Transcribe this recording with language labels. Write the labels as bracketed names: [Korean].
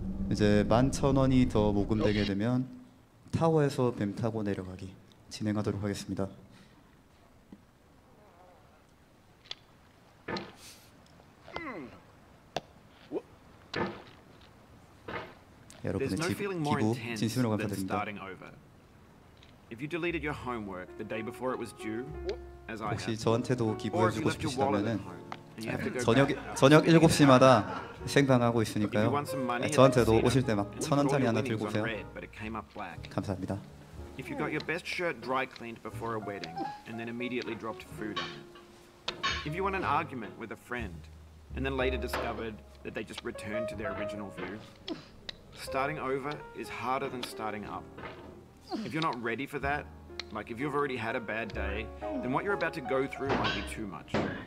[Korean] 이제 11,000원이 더 모금되게 되면 타워에서 뱀 타고 내려가기 진행하도록 하겠습니다. 여러분의 기부 진심으로 감사드립니다. [English] If you deleted your homework the day before it was due, as I have. [Korean] 혹시 저한테도 기부해 주고 싶으시다면은 저녁 7시마다 생방하고 있으니까요. 저한테도 오실 때 막 1,000원짜리 하나 들고 오세요. 감사합니다. [English] If you got your best shirt dry cleaned before a wedding and then immediately dropped food on it. If you won an argument with a friend and then later discovered that they just returned to their original view. Starting over is harder than starting up. If you're not ready for that, like if you've already had a bad day, then what you're about to go through might be too much.